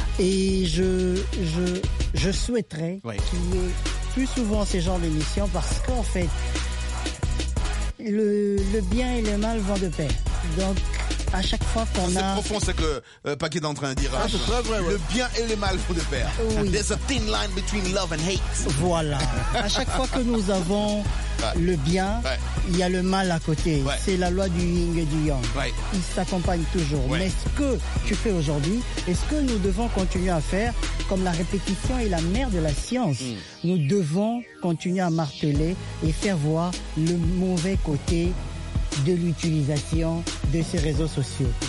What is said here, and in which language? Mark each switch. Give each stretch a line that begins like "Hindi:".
French: Et je souhaiterais qu'il y ait plus souvent ces genres d'émissions parce qu'en fait, le bien et le mal vont de pair. Donc, à chaque fois qu'on c'est a... C'est profond ce que Paquet est en train de dire. Ah, c'est très vrai, ouais. Le bien et le mal font de pair. Oui.
English: There's a thin line between love and hate.
French: Voilà. À chaque fois que nous avons le bien, il y a le mal à côté. Ouais. C'est la loi du yin et du yang. Ouais. Ils s'accompagnent toujours. Ouais. Mais ce que tu fais aujourd'hui, est-ce que nous devons continuer à faire, comme la répétition est la mère de la science, nous devons continuer à marteler et faire voir le mauvais côté de l'utilisation de ces réseaux sociaux.